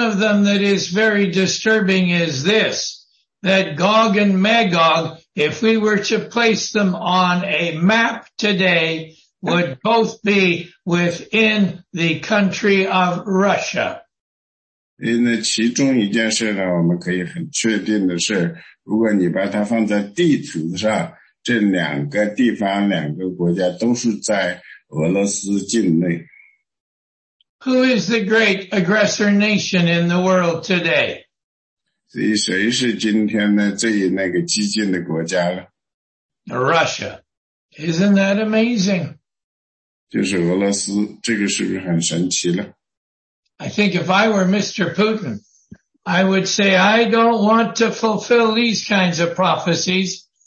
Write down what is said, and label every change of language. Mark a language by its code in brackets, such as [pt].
[en] of them that is very disturbing is this, that Gog and Magog, if we were to place them on a map today, would both be within the country of Russia. [zh] 因为其中一件事呢，我们可以很确定的是， 如果你把它放在地图上，这两个地方、两个国家都是在俄罗斯境内。 [en] Who is the great aggressor nation in the world today? [zh] 所以谁是今天呢最那个激进的国家了？ [en] Russia. Isn't that amazing? [zh] 就是俄罗斯，这个是不是很神奇了？ [en] I think if I were Mr. Putin, I would say, I don't want to fulfill these kinds of prophecies.